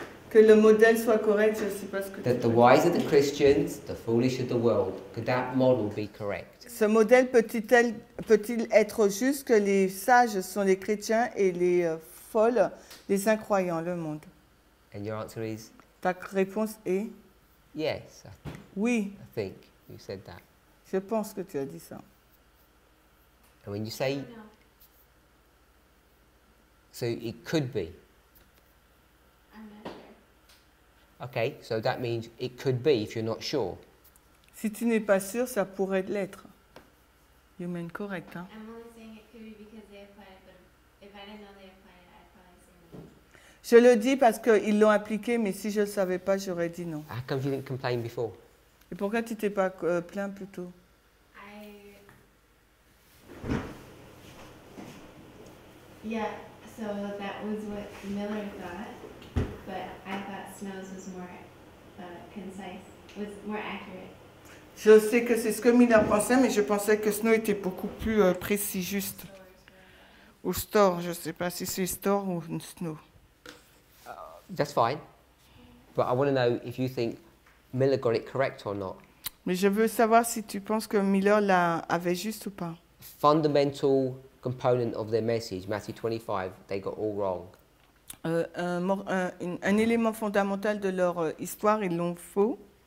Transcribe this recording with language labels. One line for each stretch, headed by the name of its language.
French: Que le modèle soit correct, je ne sais pas ce que
English: that
French: tu
English: the wise are the Christians, the foolish are the world. Could that model be correct?
French: Ce modèle peut-il être juste que les sages sont les chrétiens et les folles, les incroyants, le monde?
English: And your answer is?
French: Ta réponse est?
English: Yes.
French: Oui.
English: I think you said that.
French: Je pense que tu as dit ça.
English: And when you say... So it could be. Okay, so that means it could be if you're not sure.
French: Si tu n'es pas sûr, ça pourrait l'être.
English: You mean correct, hein? I'm only saying it could be because they applied it, but if I didn't know they applied it, I'd probably say no. Je le dis parce qu'ils l'ont appliqué, mais si je ne savais pas, j'aurais dit non. How come you didn't complain before?
French: Et pourquoi tu t'es pas plaint plus tôt?
English: So that was what Miller thought. But I thought Snow's was more concise was more accurate.
French: Je sais que c'est ce que Miller pensait, mais je pensais que snow était beaucoup plus précis, juste. Ou store, je ne sais pas si c'est store ou snow.
English: That's fine. But I want to know if you think Miller got it correct or not.
French: Mais je veux savoir si tu penses que Miller l'avait juste ou pas.
English: Fundamental component of their message, Matthew 25, they got all wrong.
French: Un élément fondamental de leur histoire, ils l'ont faux.